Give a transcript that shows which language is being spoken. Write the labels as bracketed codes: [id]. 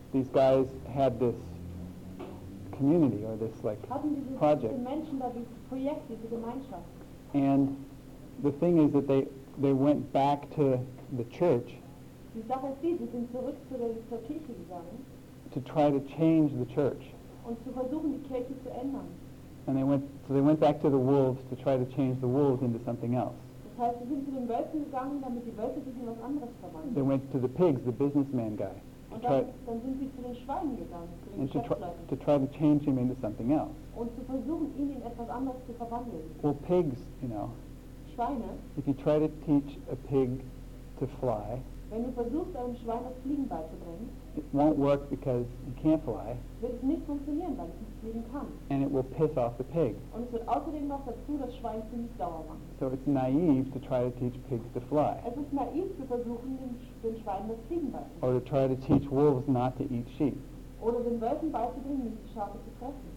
[en] These guys had this community or this like project. [de] Hatten diese Menschen da, dieses Projekt, diese Gemeinschaft. [en] And the thing is that they went back to the church to try to change the church. [de] Und zu versuchen, die Kirche zu ändern. [en] And they went back to the wolves to try to change the wolves into something else. [de] Das heißt, sie sind zu den Wölfen gegangen, damit die Wölfe sich in was anderes verwandeln. [en] They went to the pigs, the businessman guy. [de] Dann sind sie zu den Schweinen gegangen, zu den Geschäftsleuten. [en] To try to change him into something else. [de] Und zu versuchen, ihn in etwas anderes zu verwandeln. [en] Well, pigs, you know. [de] Schweine. [en] If you try to teach a pig to fly. [de] Wenn du versuchst, einem Schwein das Fliegen beizubringen, [en] it won't work because he can't fly. [de] Wird es nicht funktionieren, weil es nicht fliegen kann. [en] And it will piss off the pig. [de] Und es wird außerdem noch dazu das Schwein ziemlich sauer machen. [en] So it's naive to try to teach pigs to fly. [de] Es ist naiv zu versuchen, den Schweinen das Fliegen beizubringen. [en] Or to try to teach wolves not to eat sheep. [de] Oder den Wölfen beizubringen, nicht die Schafe zu fressen.